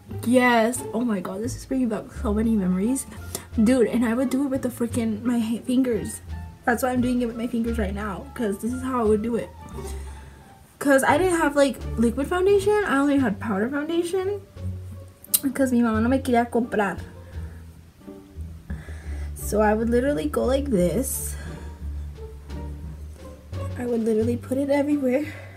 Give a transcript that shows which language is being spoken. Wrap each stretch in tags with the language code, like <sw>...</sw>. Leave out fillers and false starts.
<en>Yes, oh my god, this is bringing back so many memories. Dude, and I would do it with the freaking, my fingers. That's why I'm doing it with my fingers right now, because this is how I would do it. Because I didn't have like liquid foundation, I only had powder foundation. Because</en> <es>mi mamá no me quería comprar.</es> <en>So I would literally go like this. I would literally put it everywhere.</en>